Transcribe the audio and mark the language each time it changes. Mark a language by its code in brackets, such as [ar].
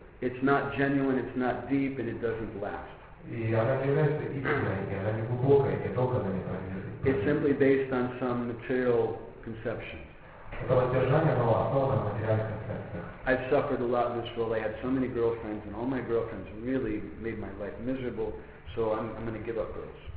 [en] It's not genuine, it's not deep, and it doesn't last. [ru] И она не является истинной, и она не глубокая, и долго она не продержится. [en] It's simply based on some material conceptions. [ru] Это воздержание, но основано на материальных концепциях. [en] I've suffered a lot in this world. I had so many girlfriends, and all my girlfriends really made my life miserable. So I'm going to give up girls.